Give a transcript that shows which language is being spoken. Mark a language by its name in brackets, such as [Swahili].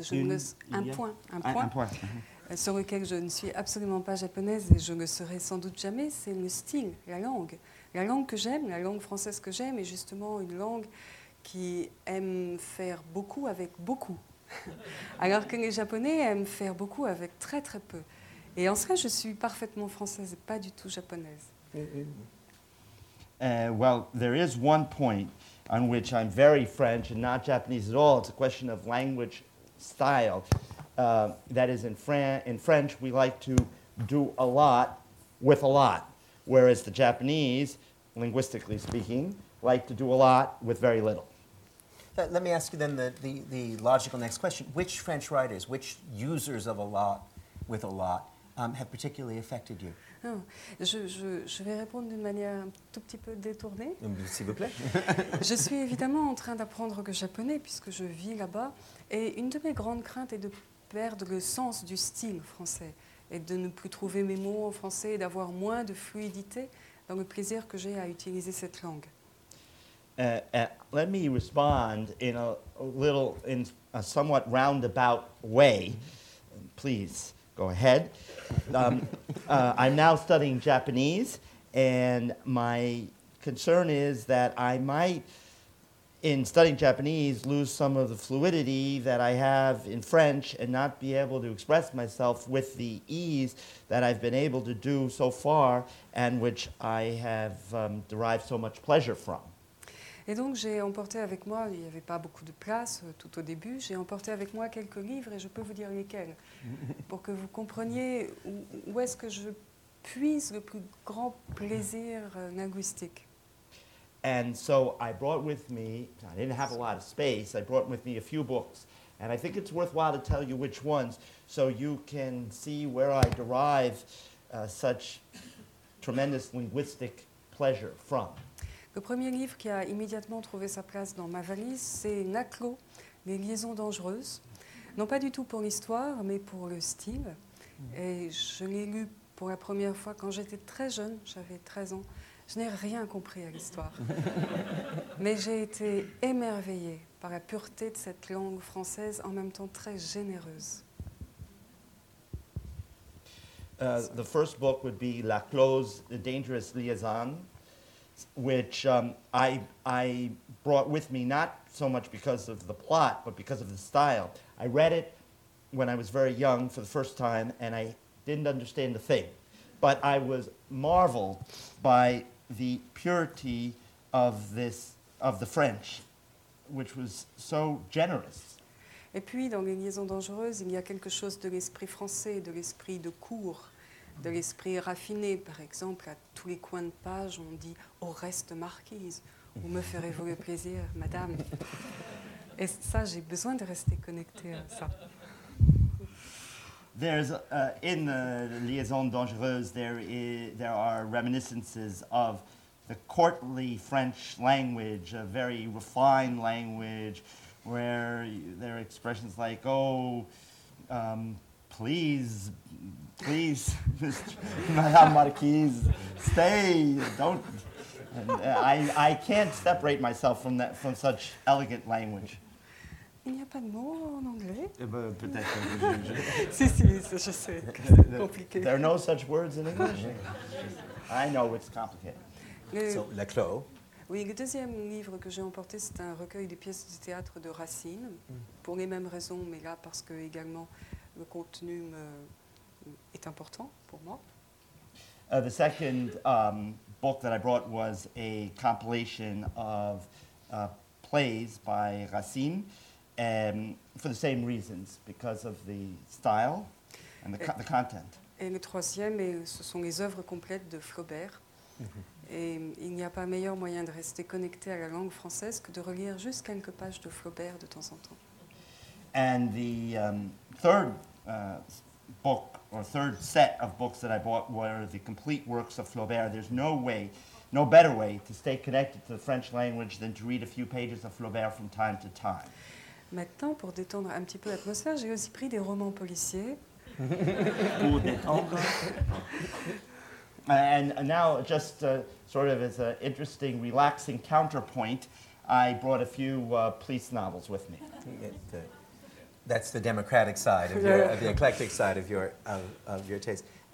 [French] Sur lequel je ne suis absolument pas japonaise et je ne serai sans doute jamais, c'est le style, la langue. La langue que j'aime, la langue française que j'aime, est justement une langue qui aime faire beaucoup avec beaucoup. Alors que les Japonais aiment faire beaucoup avec très très peu. Et en cela, je suis parfaitement française et pas du tout japonaise. [English] Well, there is one point on which I'm very French and not Japanese at all. It's a question of language style. That is, in French, we like to do a lot with a lot, whereas the Japanese, linguistically speaking, like to do a lot with very little. Let me ask you then the logical next question. Which French writers, which users of a lot with a lot, have particularly affected you? [French] Oh, je vais répondre d'une manière un tout petit peu détournée. S'il vous plaît. Je suis évidemment en train d'apprendre le japonais puisque je vis là-bas. Et une de mes grandes craintes est de perdre le sens du style français et de ne plus trouver mes mots en français et d'avoir moins de fluidité dans le plaisir que j'ai à utiliser cette langue. [English] Let me respond in a somewhat roundabout way, please. Go ahead. I'm now studying Japanese, and my concern is that I might, in studying Japanese, lose some of the fluidity that I have in French and not be able to express myself with the ease that I've been able to do so far and which I have derived so much pleasure from. [French] Et donc j'ai emporté avec moi, il n'y avait pas beaucoup de place tout au début, j'ai emporté avec moi quelques livres et je peux vous dire lesquels, pour que vous compreniez où est-ce que je puise le plus grand plaisir linguistique. [English] And so I brought with me, I didn't have a lot of space, I brought with me a few books, and I think it's worthwhile to tell you which ones, so you can see where I derive such tremendous linguistic pleasure from. [French] Le premier livre qui a immédiatement trouvé sa place dans ma valise, c'est Naclo, Les liaisons dangereuses. Non pas du tout pour l'histoire, mais pour le style. Et je l'ai lu pour la première fois quand j'étais très jeune, j'avais 13 ans. Je n'ai rien compris à l'histoire. Mais j'ai été émerveillée par la pureté de cette langue française, en même temps très généreuse. [English] The first book would be Naclo's The Dangerous Liaison, which I brought with me not so much because of the plot, but because of the style. I read it when I was very young for the first time, and I didn't understand a thing. But I was marveled by the purity of this of the French, which was so generous. [French] Et puis, dans les liaisons dangereuses, il y a quelque chose de l'esprit français, de l'esprit de cour. De l'esprit raffiné, par exemple, à tous les coins de page, on dit « au reste marquise » ou « me ferez-vous le plaisir, madame ». Et ça, j'ai besoin de rester connecté à ça. [English] There's in the liaison dangereuse, there are reminiscences of the courtly French language, a very refined language, where there are expressions like « oh, please, please, Madame Marquise, stay, don't, I can't separate myself from that, from such elegant language. [French] Il n'y a pas de mots en anglais. Eh ben, peut-être. si, je sais. C'est compliqué. [English] There are no such words in English. I know it's complicated. [French] La Clo. Oui, le deuxième livre que j'ai emporté, c'est un recueil des pièces de théâtre de Racine, pour les mêmes raisons, mais là, parce que également le contenu est important pour moi. [English] The second book that I brought was a compilation of plays by Racine, for the same reasons, because of the style and the content. [French] Et le troisième, ce sont les œuvres complètes de Flaubert. Et il n'y a pas meilleur moyen de rester connecté à la langue française que de relire juste quelques pages de Flaubert de temps en temps. [English] And the third book, or third set of books that I bought, were the complete works of Flaubert. There's no way, no better way to stay connected to the French language than to read a few pages of Flaubert from time to time. [French] Maintenant, pour détendre un petit peu l'atmosphère, j'ai aussi pris des romans policiers. Pour détendre. [English] And now, just sort of as an interesting, relaxing counterpoint, I brought a few police novels with me. That's the democratic side of your, of the eclectic side of your taste.